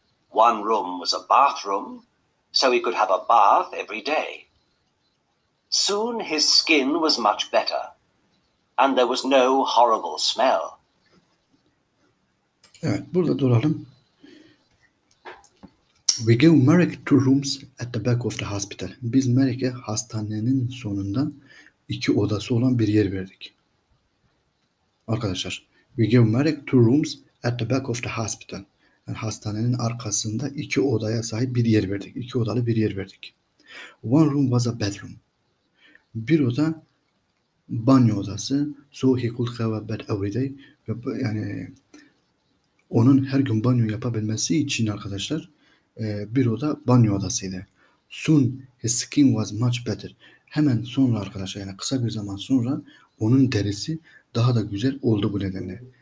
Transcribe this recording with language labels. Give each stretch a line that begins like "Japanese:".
English: One room was a bathroom, so he could have a bath every day. Soon his skin was much better, and there was no horrible smell.
Turkish: Evet, burada duralım.
English: We gave Merrick two rooms at the back of the hospital.
Turkish: Biz Merrick'e hastanenin sonunda iki odası olan bir yer verdik. Arkadaşlar,
English: we gave Merrick two rooms at the back of the hospital.
Turkish: Yani hastanenin arkasında iki odaya sahip bir yer verdik. İki odalı bir yer verdik.
English: One room was a bedroom.
Turkish: Bir oda banyo odası.
English: So he could have a bed every day.
Turkish: Yani onun her gün banyo yapabilmesi için arkadaşlar, bir oda banyo odasıydı.
English: Soon his skin was much better.
Turkish: Hemen sonra arkadaşlar, yani kısa bir zaman sonra onun derisi daha da güzel oldu bu nedenle.